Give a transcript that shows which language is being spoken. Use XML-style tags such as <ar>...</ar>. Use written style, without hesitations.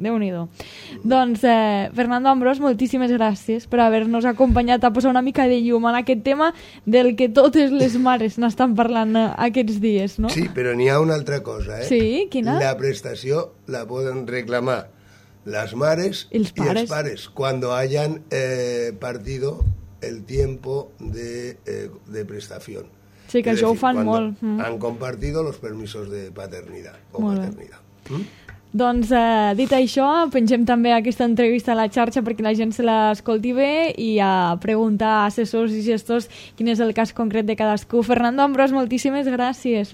<ca>déu-n'hi-do. Doncs, Fernando Ambrós, moltíssimes gràcies per haver-nos acompanyat a posar una mica de llum en aquest tema del que totes les mares n'estan parlant aquests dies, no? Sí, però n'hi ha una altra cosa, eh? Sí, quina? La prestació la poden reclamar</ca> <es>las mares y los pares, cuando hayan partido el tiempo de prestación.</es> <ca>Sí, que això ho fan molt.</ca> <es>Han compartido los permisos de paternidad o molt maternidad.</es> <ca>Doncs, dit això, pengem també aquesta entrevista a la xarxa perquè la gent se l'escolti bé i a preguntar a assessors i gestors quin és el cas concret de cadascú. Fernando Ambrós, moltíssimes gràcies.</ca>